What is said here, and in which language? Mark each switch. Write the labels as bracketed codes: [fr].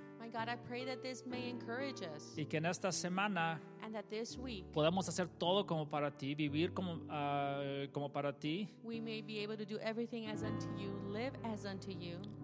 [en] My God, I pray that this may encourage us. [es] Y que en esta semana, [en] and that this week, [es] podamos hacer todo como para ti, vivir como para ti. [en] We may be able to do everything as unto you, live as unto you.